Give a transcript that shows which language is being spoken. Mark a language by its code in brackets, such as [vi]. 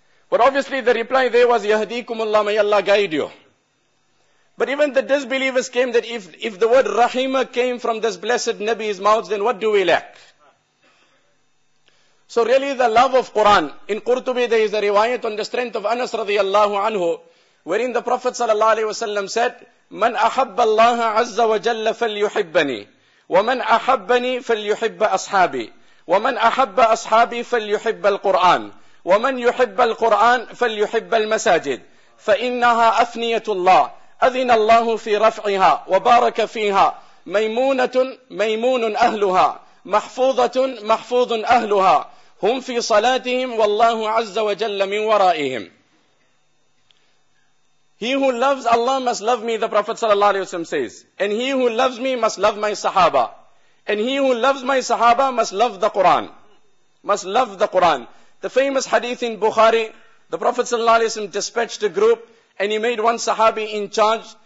[en] But obviously the reply there was, [ar] يهديكم الله, [en] may Allah guide you. But even the disbelievers came, that if the word Rahima came from this blessed Nabi's mouth, then what do we lack? So really the love of Quran. In Qurtubi there is a riwayat on the strength of Anas radiallahu anhu, wherein the Prophet sallallahu alayhi wa sallam said, [ar] مَنْ أَحَبَّ اللَّهَ عَزَّ وَجَلَّ فَلْيُحِبَّنِي وَمَنْ أَحَبَّنِي فَلْيُحِبَّ أَصْحَابِي وَمَنْ أَحَبَّ أَصْحَابِي فَلْيُحِبَّ الْقُرْآنِ وَمَنْ يُحِبَّ الْقُرْآنِ فَلْيُحِبَّ الْمَسَاجِدِ فَإِنَّهَا أَفْنِيَةُ اللَّهِ أَذِنَ اللَّهُ فِي رَفْعِهَا وَبَارَكَ فِيهَا مَيْمُونَةٌ مَيْمُونٌ أَهْلُهَا محفوظة محفوظ أهلها هم في صلاتهم والله عز وجل من ورائهم. [en] He who loves Allah must love me, the Prophet sallallahu alaihi wasallam says. And he who loves me must love my Sahaba. And he who loves my Sahaba must love the Quran. Must love the Quran. The famous hadith in Bukhari, the Prophet sallallahu alaihi wasallam dispatched a group and he made one Sahabi in charge.